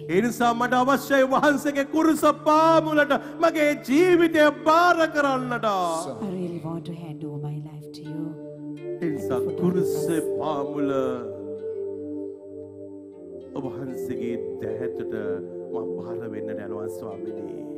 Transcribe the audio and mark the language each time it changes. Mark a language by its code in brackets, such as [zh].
[si] එනිසා මට අවශ්‍යයි වහන්සේගේ කුරුස පාමුලට මගේ ජීවිතය බාර කරන්නට. [en] I really want to hand over my life to you. [si] එනිසා කුරුස පාමුල ඔබ වහන්සේගේ දැහැතට මම බාර වෙන්නට යනවා ස්වාමිනේ.